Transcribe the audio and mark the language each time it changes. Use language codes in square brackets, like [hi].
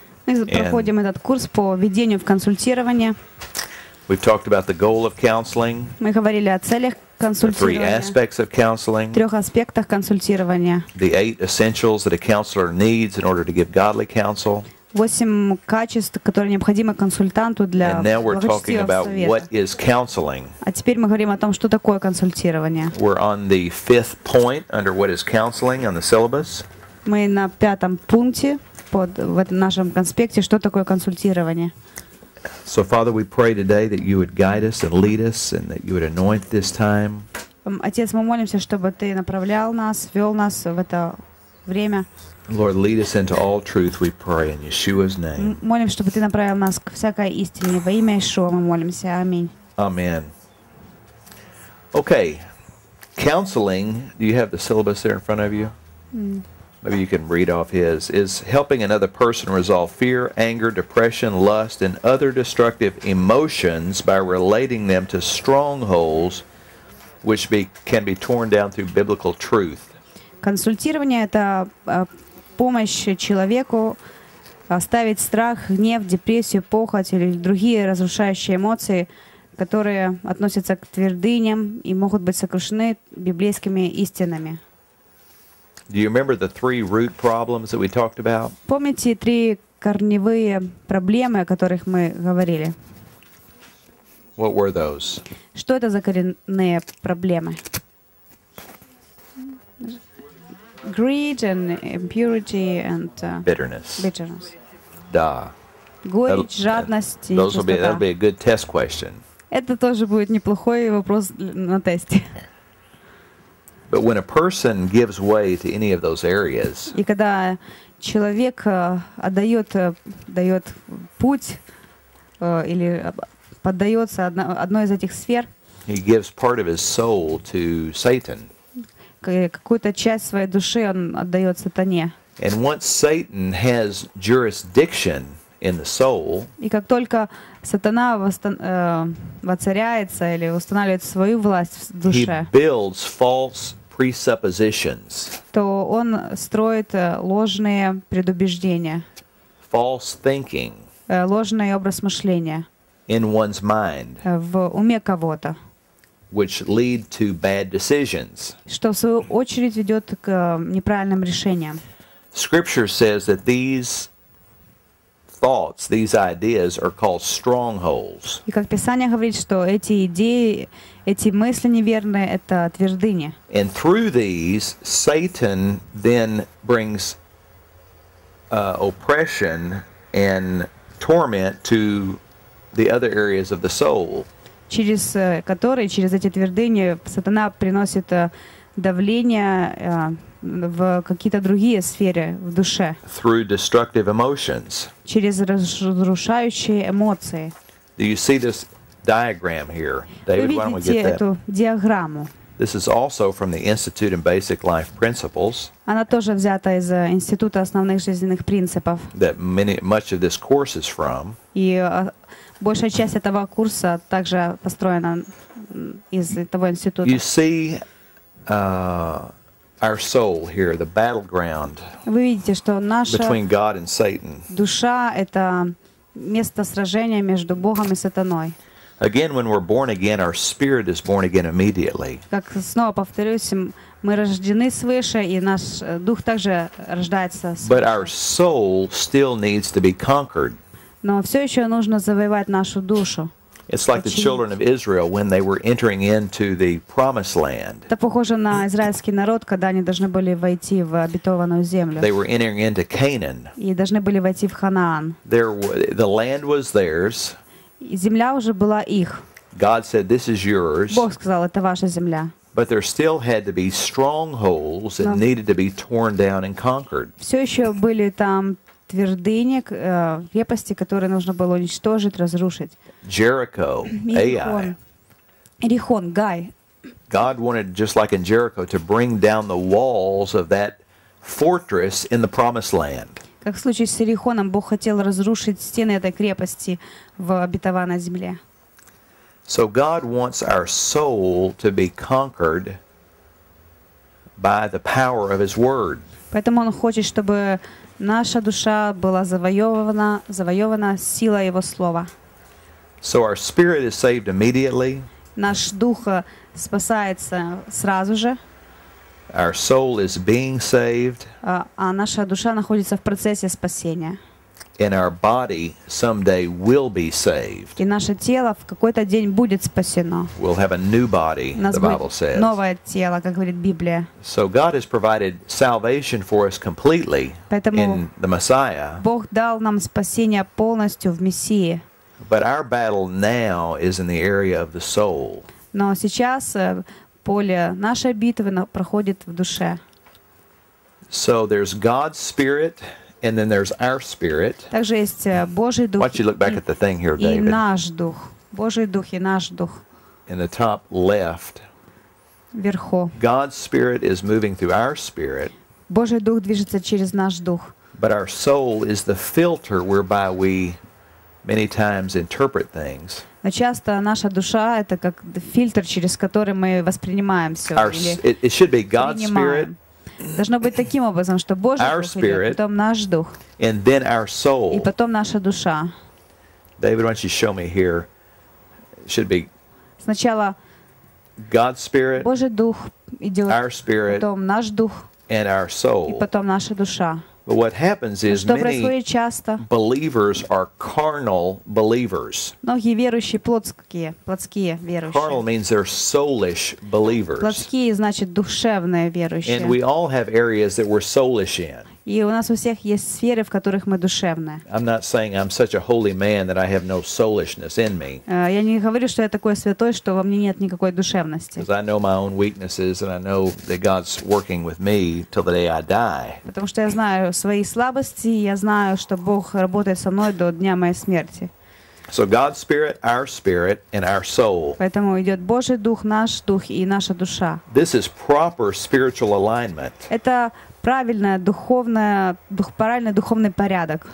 [ru] Мы проходим этот курс по введению в консультирование. [en] We've talked about the goal of counseling. [ru] Мы говорили о целях консультирования. [en] The three aspects of counseling. [ru] Трех аспектах консультирования. [en] The eight essentials that a counselor needs in order to give godly counsel. [ru] Восемь качеств, которые необходимы консультанту для благочестивого совета. [en] And now we're talking about what is counseling. [ru] А теперь мы говорим о том, что такое консультирование. [en] We're on the fifth point under what is counseling on the syllabus. [ru] Мы на пятом пункте под в этом нашем конспекте, что такое консультирование. [en] So Father, we pray today that you would guide us and lead us and that you would anoint this time. [ru] Отец, мы молимся, чтобы ты направлял нас, вёл нас в это время. [en] Lord, lead us into all truth, we pray in Yeshua's name. [ru] Молим, чтобы ты направил нас к всякой истине во имя Иешуа, мы молимся. Аминь. [en] Amen. Okay. Counseling, do you have the syllabus there in front of you? Maybe you can read off his, is helping another person resolve fear, anger, depression, lust, and other destructive emotions by relating them to strongholds which can be torn down through biblical truth. [ru] Консультирование — это помощь человеку оставить страх, гнев, депрессию, похоть или другие разрушающие эмоции, которые относятся к твердыням и могут быть сокрушены библейскими истинами. [en] Do you remember the three root problems that we talked about? [ru] Помните три корневые проблемы, о которых мы говорили? [en] What were those? [ru] Что это за коренные проблемы? [en] Greed and impurity and bitterness. [ru] Да. Горечь, жадность и пустота. [en] That'll be a good test question. [ru] Это тоже будет неплохой вопрос на тесте. [en] But when a person gives way to any of those areas, [ru] и когда человек отдает путь или поддается одной из этих сфер, [en] he gives part of his soul to Satan. [ru] Какую-то часть своей души он отдает сатане. [en] And once Satan has jurisdiction in the soul, [ru] и как только сатана воцаряется или устанавливает свою власть в душе, [en] he builds false presuppositions. [ru] То он строит ложные предубеждения. [en] False thinking. [ru] Ложный образ мышления. [en] In one's mind. [ru] В уме кого-то. [en] Which lead to bad decisions. [ru] Что в свою очередь ведет к неправильным решениям. [en] Scripture says that these thoughts, these ideas are called strongholds. [ru] И как Писание говорит, что эти идеи, эти мысли неверные, это твердыни. [en] And through these, Satan then brings oppression and torment to the other areas of the soul. [ru] Через которые, через эти твердыни, сатана приносит давление в какие-то другие сферы в душе. [en] Through destructive emotions. [ru] Через разрушающие эмоции. [en] Do you see this diagram here? David, why don't we get that? [ru] Вы видите эту диаграмму? [en] This is also from the Institute and Basic Life Principles. [ru] Она тоже взята из Института основных жизненных принципов. [en] That much of this course is from. [ru] И большая часть этого курса также построена из этого института. [en] You see, our soul here, the battleground. [ru] Вы видите, что наша [en] between God and Satan. [ru] Душа — это место сражения между Богом и сатаной. [en] Again, when we're born again, our spirit is born again immediately. [ru] Как снова повторюсь, мы рождены свыше, и наш дух также рождается свыше. [en] But our soul still needs to be conquered. [ru] Но все еще нужно завоевать нашу душу. [en] It's like the children of Israel when they were entering into the promised land. [ru] Это похоже на израильский народ, когда они должны были войти в обетованную землю. [en] They were entering into Canaan. [ru] И должны были войти в Ханаан. [en] The land was theirs. [ru] Земля уже была их. [en] God said, "This is yours." [ru] Бог сказал, это ваша земля. [en] But there still had to be strongholds that needed to be torn down and conquered. [ru] Все еще были там твердыни, крепости, которые нужно было уничтожить, разрушить. [en] Jericho, Ai. [ru] Иерихон, Гай. [en] God wanted, just like in Jericho, to bring down the walls of that fortress in the promised land. [ru] Как в случае с Иерихоном, Бог хотел разрушить стены этой крепости в обетованной земле. [en] So God wants our soul to be conquered by the power of His Word. [ru] Поэтому Он хочет, чтобы наша душа была завоевана силой Его Слова. [en] So our spirit is saved immediately. [ru] Наш дух спасается сразу же. [en] Our soul is being saved. [ru] А наша душа находится в процессе спасения. [en] And our body someday will be saved. [ru] И наше тело в какой-то день будет спасено. [en] We'll have a new body, the Bible says. [ru] Новое тело, как говорит Библия. [en] So God has provided salvation for us completely in the Messiah. [ru] Бог дал нам спасение полностью в Мессии. [en] But our battle now is in the area of the soul. [ru] Но сейчас поле нашей битвы проходит в душе. [en] So there's God's spirit. And then there's our spirit. [ru] Также есть Божий дух. [en] Why don't you look back at the thing here, David? [ru] И наш дух, Божий дух и наш дух. [en] In the top left. [ru] Вверху. [en] God's spirit is moving through our spirit. [ru] Божий дух движется через наш дух. [en] But our soul is the filter whereby we many times interpret things. [ru] Но часто наша душа это как фильтр, через который мы воспринимаем все. [en] It should be God's spirit. [ru] Должно быть таким образом, что Божий дух идет, потом наш дух, [en] and then our soul. [ru] И потом наша душа. [en] David, why don't you show me here? It should be. [ru] Сначала [en] God's spirit, [ru] Божий дух идет, [en] our spirit, [ru] потом наш дух, [en] and our soul. [ru] И потом наша душа. [en] But what happens is many believers are carnal believers. [ru] Многие верующие плотские верующие. [en] Carnal means they're soulish believers. [ru] Плотские значит душевные верующие. [en] And we all have areas that we're soulish in. [ru] И у нас у всех есть сферы, в которых мы душевные. [en] I'm not saying I'm such a holy man that I have no soulishness in me. [ru] Я не говорю, что я такой святой, что во мне нет никакой душевности. [en] Because I know my own weaknesses and I know that God's working with me till the day I die. [ru] Потому что я знаю свои слабости, я знаю, что Бог работает со мной до дня моей смерти. [en] So God's spirit, our spirit, and our soul. [ru] Поэтому идет Божий дух, наш дух и наша душа. [en] This is proper spiritual alignment. [ru] Это правильное правильный духовный порядок.